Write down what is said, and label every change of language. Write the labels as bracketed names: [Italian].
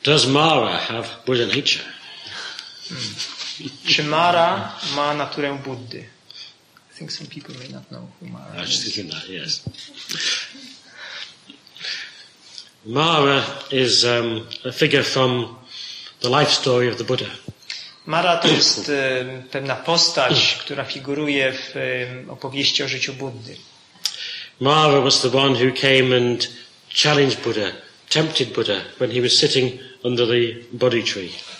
[English] Does Mara have Buddha nature? [Polish] Czy Mara ma naturę Buddy? [English] I think some people may not know who Mara is. I was just thinking that, yes. Mara is a figure from the life story of the Buddha. [Polish] Mara to jest pewna postać, która figuruje w opowieści o życiu Buddy. [English] Mara was the one who came and challenged Buddha, tempted Buddha when he was sitting under the Bodhi tree.